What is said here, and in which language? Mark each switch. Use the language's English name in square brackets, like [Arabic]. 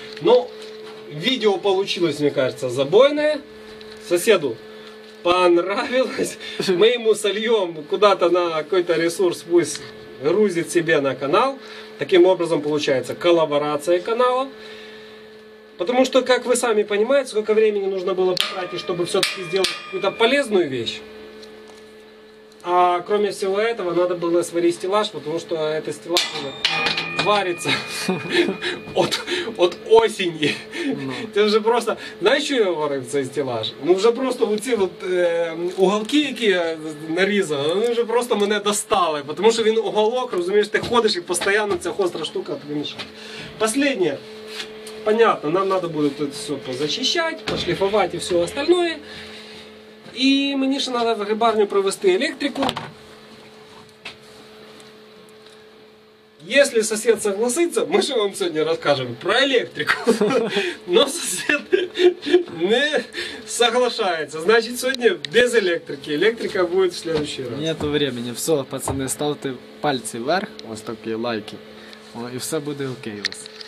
[Ukrainian] Ну, відео вийшло, мені кажется, забойне. [Russian] Сусіду понравилось. [Ukrainian] Ми йому сольємо куди-то на якийсь ресурс, пусть грузить себе на канал. [Russian] Таким образом [Ukrainian] виходить колаборація каналу. [Russian] Потому что, как вы сами понимаете, сколько времени нужно было потратить, чтобы все-таки сделать какую-то полезную вещь. А кроме всего этого, надо было сварить стеллаж, потому что этот стеллаж уже варится от осени. [Ukrainian] Це вже просто, знаєш, що я говорив цей стелаж? Ну вже просто оці от, уголки, які я нарізав, вони вже просто мене достали. Тому що він уголок, розумієш, ти ходиш і постійно ця гостра штука помішає. Останнє. Понятно, нам треба буде тут все позачищати, пошліфувати і [Russian] все остальное. [Ukrainian] І мені ще треба в грибарню привезти електрику. [Russian] Если сосед согласится, мы же вам сегодня расскажем про электрику. Но сосед не соглашается. Значит, сегодня без электрики. Электрика будет в следующий раз. Нету времени. Все, пацаны, ставьте пальцы вверх. Вот такие лайки. И все будет окей у вас.